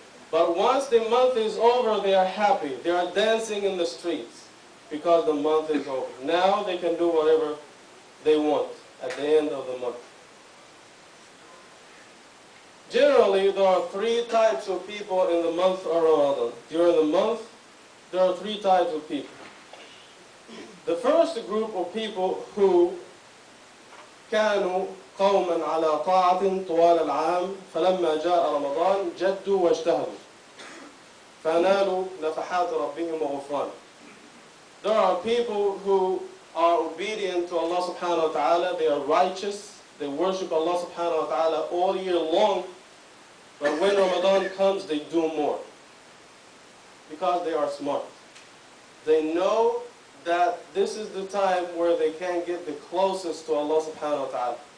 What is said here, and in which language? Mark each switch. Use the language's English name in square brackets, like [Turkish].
[English] But once the month is over, they are happy. They are dancing in the streets because the month is over. Now they can do whatever they want at the end of the month. Generally, there are three types of people in the month of Ramadan. During the month, there are three types of people. The first group of people who [Arabic] كانوا قوما على طاعة طوال العام فلما جاء رمضان جدوا واجتهدوا فنالوا نفحات ربهم وغفران. [English] There are people who are obedient to Allah subhanahu wa ta'ala. They are righteous. They worship Allah subhanahu wa ta'ala all year long. But when Ramadan comes, they do more. Because they are smart. They know that this is the time where they can get the closest to Allah subhanahu wa ta'ala.